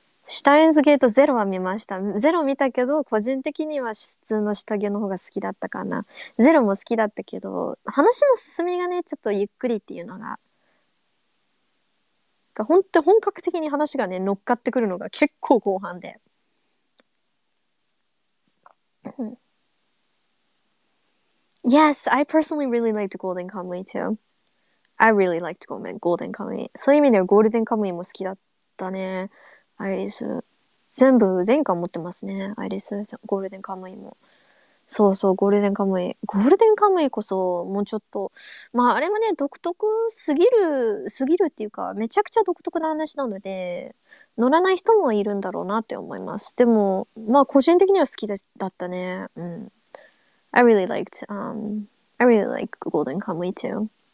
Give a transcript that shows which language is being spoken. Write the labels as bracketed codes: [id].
[ja] シュタインズゲートゼロは見ました。ゼロ見たけど、個人的には普通の下着の方が好きだったかな。ゼロも好きだったけど、話の進みがね、ちょっとゆっくりっていうのが。本当、本格的に話がね、乗っかってくるのが結構後半で。 [en] Yes, I personally really liked Golden Kamuy too. I really liked Golden Kamuy. [ja] そういう意味ではゴールデンカムイも好きだったね。アイリス。全巻持ってますね。アイリス、ゴールデンカムイも。そうそう、ゴールデンカムイ。ゴールデンカムイこそ、もうちょっと、まあ、あれもね、独特すぎるっていうか、めちゃくちゃ独特な話なので、乗らない人もいるんだろうなって思います。でも、まあ、個人的には好きだったね。 [en] I really liked, I really like Golden Kamuy too.